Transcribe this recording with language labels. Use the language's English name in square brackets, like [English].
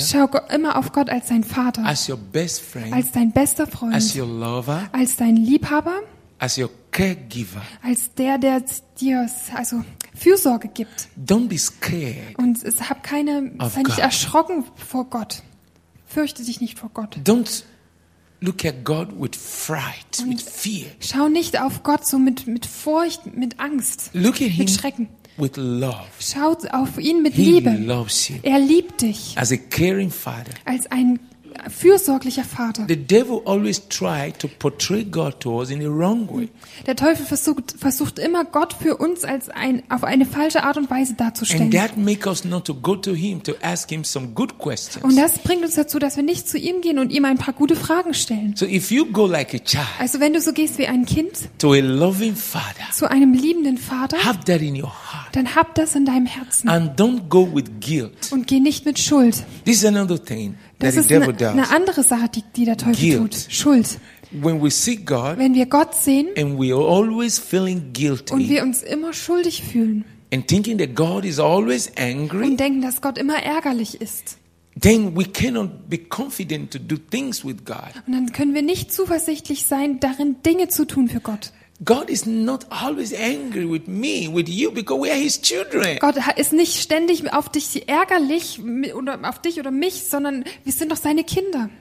[German] Schau immer auf Gott als dein Vater. [English] As your best friend. [German] Als dein bester Freund. [English] As your lover. [German] Als dein Liebhaber. [English] As your caregiver. [German] Als der, der dir also Fürsorge gibt. [English] Don't be scared. [German] Und es hab keine, sei nicht erschrocken vor Gott. Fürchte dich nicht vor Gott. [English] Don't look at God with fright, und with fear. [German] Schau nicht auf Gott so mit Furcht, mit Angst, [English] look at [German] mit Schrecken. [English] With love. [German] Schau auf ihn mit [English] He [German] Liebe. [English] Loves you. [German] Er liebt dich. [English] As a caring father. [German] Als ein fürsorglicher Vater. [English] The devil always tried to portray God to us in the wrong way. [German] Der Teufel versucht immer Gott für uns als auf eine falsche Art und Weise darzustellen. [English] And that makes us not to go to him to ask him some good questions. [German] Und das bringt uns dazu, dass wir nicht zu ihm gehen und ihm ein paar gute Fragen stellen. [English] So if you go like a child. [German] Also wenn du so gehst wie ein Kind. [English] To a loving father. [German] Zu einem liebenden Vater. [English] Have that in your heart. [German] Dann hab das in deinem Herzen. [English] And don't go with guilt. [German] Und geh nicht mit Schuld. [English] This is another thing. [German] Das ist eine andere Sache, die der Teufel [English] guilt. [German] Tut. Schuld. [English] When we see God, [German] wenn wir Gott sehen [English] and we are always feeling guilty, [German] und wir uns immer schuldig fühlen [English] and thinking that God is always angry, [German] und denken, dass Gott immer ärgerlich ist, [English] then we cannot be confident to do things with God. [German] Und dann können wir nicht zuversichtlich sein, darin Dinge zu tun für Gott. [English] God is not always angry with me, with you, because we are His children. [German] Gott ist nicht ständig auf dich ärgerlich oder auf dich oder mich, sondern wir sind doch seine Kinder.